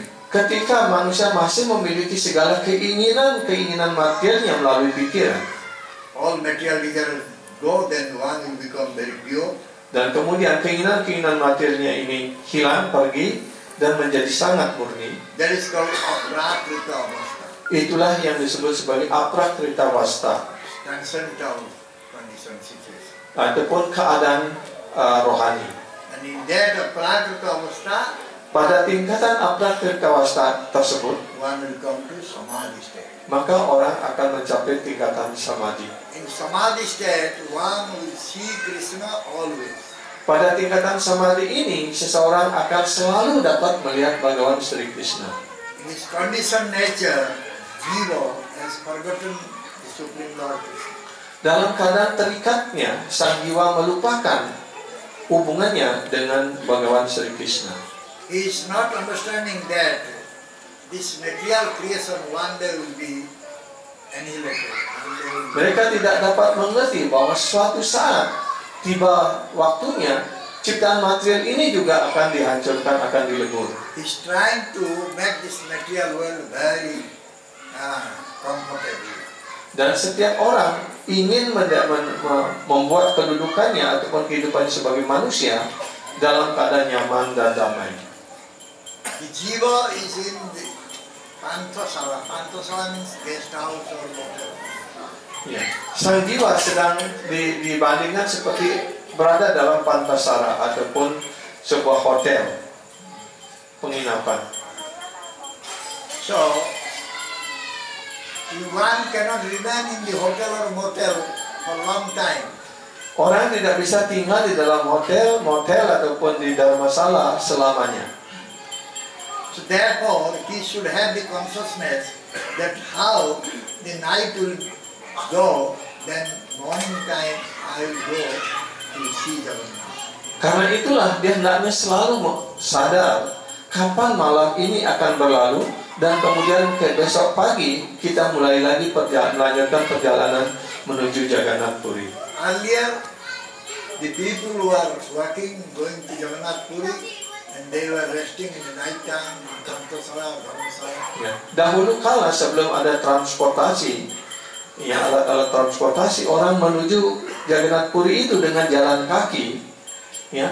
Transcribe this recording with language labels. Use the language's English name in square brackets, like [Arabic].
[Indonesian] Ketika manusia masih memiliki segala keinginan materialnya melalui pikiran, [English] all material desire go, then one will become very pure. [Indonesian] Dan kemudian keinginan-keinginan materialnya ini hilang pergi dan menjadi sangat murni. [English] That is called aprakrita avastha. [Indonesian] Itulah yang disebut sebagai aprakrita avastha. [English] Transcendent condition situation. [Indonesian] Ataupun keadaan rohani. [English] And in that aprakrita avastha, [Indonesian] pada tingkatan aprakrita avastha tersebut, [English] one will come to samadhi state. [Indonesian] Maka orang akan mencapai tingkatan samadhi. [English] In samadhi state, one will see Krishna always. [Indonesian] Pada tingkatan samadhi ini, seseorang akan selalu dapat melihat Bhagawan Sri Krishna. [English] In his conditioned nature, jiva has forgotten the Supreme Lord Krishna. [Indonesian] Dalam keadaan terikatnya, sang jiva melupakan hubungannya dengan Bhagawan Sri Krishna. [English] He is not understanding that this material creation one day will be annihilated. [Indonesian] Mereka tidak dapat mengerti bahwa suatu saat tiba waktunya ciptaan material ini juga akan dihancurkan, akan dilebur. [English] He is trying to make this material world very comfortable. [Indonesian] Dan setiap orang ingin membuat kedudukannya ataupun kehidupannya sebagai manusia dalam keadaan nyaman dan damai. [English] The jiva is in the pantosala. Pantosala means guest house or hotel. [Indonesian] Yeah. Sang jiva sedang dibandingkan seperti berada dalam pantosala ataupun sebuah hotel penginapan. [English] So, one cannot remain in the hotel or motel for long time. [Indonesian] Orang tidak bisa tinggal di dalam hotel, motel ataupun di dharmasala selamanya. [English] So therefore, he should have the consciousness that how the night will go, then morning time I will go to see Jagannath. [Indonesian] Karena itulah dia hendaknya selalu sadar kapan malam ini akan berlalu dan kemudian ke besok pagi kita mulai lagi melanjutkan perjalanan menuju Jagannath Puri. [English] Earlier, the people who are walking going to Jagannath Puri, and they were resting in the night time in Kantasala or Dharmasala. [Indonesian] Yeah. Dahulu kala sebelum ada transportasi, ya, alat-alat transportasi, orang menuju Jagannath Puri itu dengan jalan kaki. Ya.